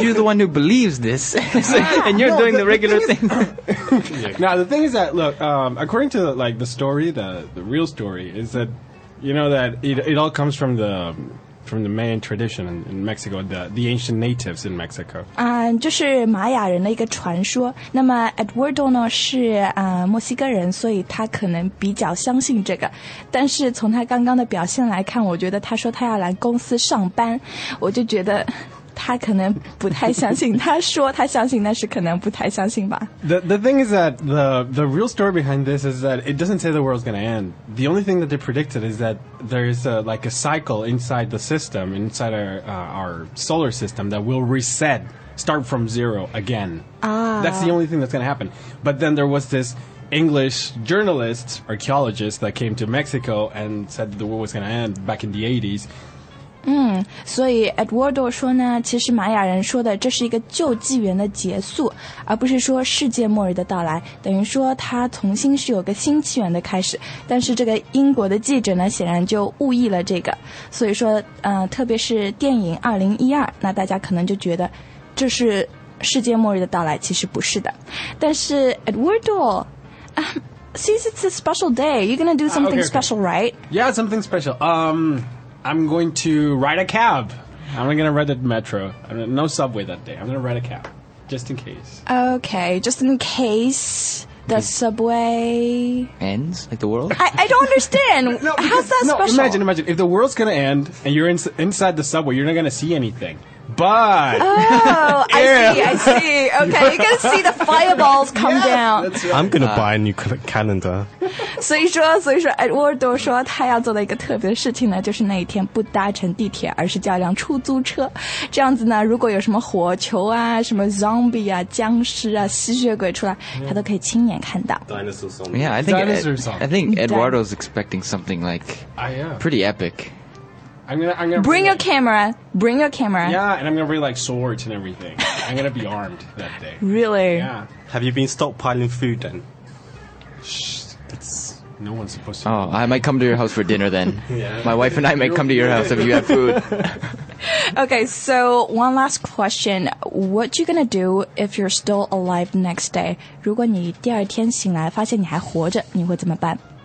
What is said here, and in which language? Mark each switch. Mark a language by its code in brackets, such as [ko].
[en] Aren't you the one who believes this? And you're doing the regular thing. Now, the thing is that, look, according to like, the story, the real story, is that, you know, that it all comes from the Mayan tradition in Mexico, the ancient natives in Mexico. [zh] 就是玛雅人的一个传说。那么 Eduardo 呢是墨西哥人，所以他可能比较相信这个。但是从他刚刚的表现来看，我觉得他说他要来公司上班，我就觉得他可能不太相信。他说他相信，但是可能不太相信吧。 [en] The thing is that the real story behind this is that it doesn't say the world's going to end. The only thing that they predicted is that there is a cycle inside the system, inside our solar system, that will reset, start from zero again. That's the only thing that's going to happen. But then there was this English journalist, archaeologist, that came to Mexico and said the world was going to end back in the 80s. [zh] 所以 Eduardo 说呢，其实玛雅人说的这是一个旧纪元的结束，而不是说世界末日的到来，等于说他重新是有个新纪元的开始。但是这个英国的记者呢，显然就误译了这个，所以说，特别是电影2012，那大家可能就觉得这是世界末日的到来，其实不是的。但是 [en] Eduardo。Since it's a special day, you're gonna do something special, right? Yeah, something special. I'm going to ride a cab. I'm not going to ride the metro. No subway that day. I'm going to ride a cab. Just in case. Okay. Just in case the subway... ends? Like the world? I don't understand. No, how's that special? Imagine. If the world's going to end and you're inside the subway, you're not going to see anything. But... Oh, I see. Okay, you're going to see the fireballs come down. Right. I'm going to buy a new calendar. [zh] 所以说 Edwardo 说他要做的一个特别的事情呢, 就是那一天不搭乘地铁, 而是叫一辆出租车。这样子呢, 如果有什么火球啊, 什么zombie啊, 僵尸啊, 吸血鬼出来, 他都可以亲眼看到。 [en] Yeah, I think Eduardo's expecting something like pretty epic. Bring your camera. Yeah, and I'm gonna bring like swords and everything. I'm gonna be armed that day. Really? Yeah. Have you been stockpiling food then? No one's supposed to. Oh, I might come to your house for dinner then. Yeah. My wife and I might come to your house if you have food. Okay, so one last question. What you gonna do if you're still alive next day? [zh] 如果你第二天醒来发现你还活着，你会怎么办？